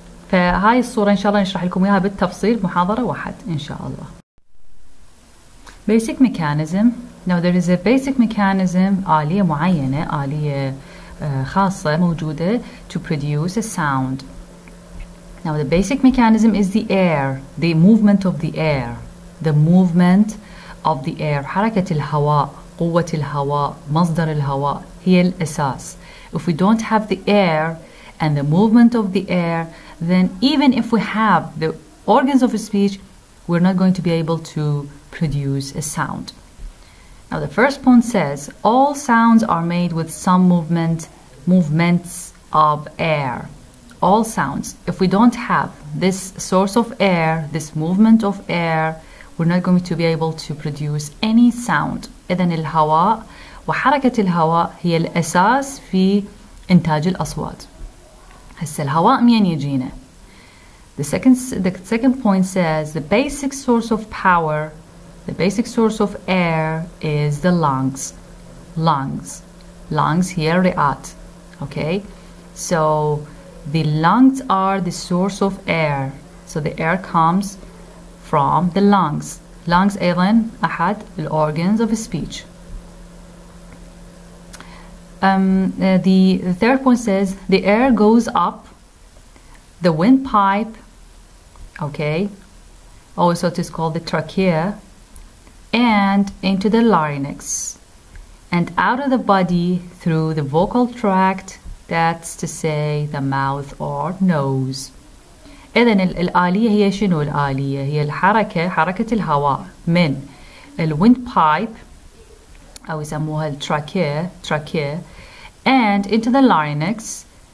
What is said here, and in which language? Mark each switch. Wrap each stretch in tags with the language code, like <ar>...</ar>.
<ar>فهاي الصورة إن شاء الله نشرح لكم إياها بالتفصيل محاضرة واحد إن شاء الله.</ar> <en>Basic mechanism. Now there is a basic mechanism</en> <ar>آلية معينة آلية خاصة موجودة</ar> <en>to produce a sound. Now the basic mechanism is the air, the movement of the air, the movement of the air.</en> <ar>حركة الهواء, قوة الهواء, مصدر الهواء هي الأساس.</ar> <en>If we don't have the air and the movement of the air, then even if we have the organs of speech, we're not going to be able to produce a sound. Now the first point says all sounds are made with some movements of air. All sounds. If we don't have this source of air, this movement of air, we're not going to be able to produce any sound.</en> <ar>إذن الهواء وحركة الهواء هي الأساس في إنتاج الأصوات. هسه الهواء منين يجينا؟</ar> <en>The second point says the basic source of power, the basic source of air is the lungs.</en> <ar>Lungs هي الرئات.</ar> <en>Okay, so the lungs are the source of air. So the air comes from the lungs. Lungs</en> <ar>أيضاً أحد</ar> <en>organs of speech. The third point says the air goes up the windpipe. Okay. Also it is called the trachea. And into the larynx. And out of the body through the vocal tract. That's to say the mouth or nose.</en> <ar>إذن الآلية هي شنو الآلية؟ هي الحركة حركة الهواء من الwindpipe أو يسموها trachea</ar> <en>and into the larynx.</en>